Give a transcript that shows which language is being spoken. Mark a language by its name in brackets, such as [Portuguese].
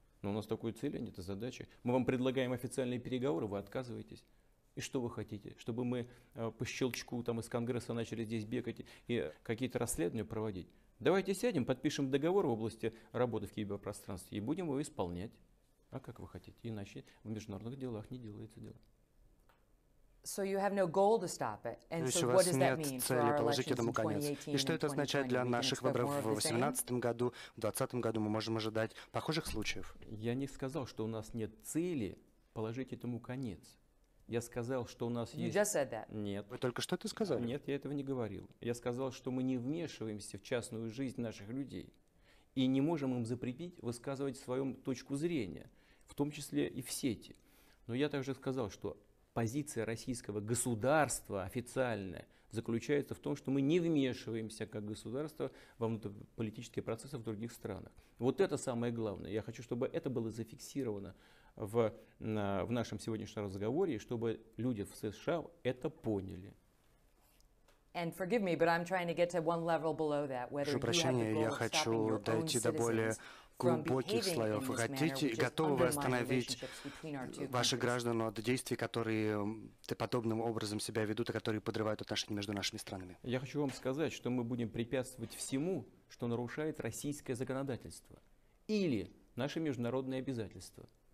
[Russian] Но у нас такой цели нет, это задача. Мы вам предлагаем официальные переговоры, вы отказываетесь. И что вы хотите? Чтобы мы по щелчку там из Конгресса начали здесь бегать и какие-то расследования проводить? Давайте сядем, подпишем договор в области работы в киберпространстве и будем его исполнять. А как вы хотите? Иначе в международных делах не делается дело. [English] So you have no goal to stop it. And so what does that mean for our elections in 2018? [Russian] И что это означает для наших выборов в 2018 году, в 2020 году? Мы можем ожидать похожих случаев? Я не сказал, что у нас нет цели положить этому конец. Я сказал, что у нас [English] you [Russian] есть... Нет. Вы только что это сказали? Нет, я этого не говорил. Я сказал, что мы не вмешиваемся в частную жизнь наших людей и не можем им запретить высказывать свою точку зрения, в том числе и в сети. Но я также сказал, что позиция российского государства официальная заключается в том, что мы не вмешиваемся как государство во внутриполитические процессы в других странах. Вот это самое главное. Я хочу, чтобы это было зафиксировано в нашем сегодняшнем разговоре, чтобы люди в США это поняли. [English] And forgive me, but I'm trying to get to one level below that. [Russian] Прошу прощения, я хочу дойти до более глубоких слоев. Вы хотите, готовы вы остановить ваших граждан от действий, которые подобным образом себя ведут и которые подрывают отношения между нашими странами? Я хочу вам сказать, что мы будем препятствовать всему, что нарушает российское законодательство или наши международные обязательства.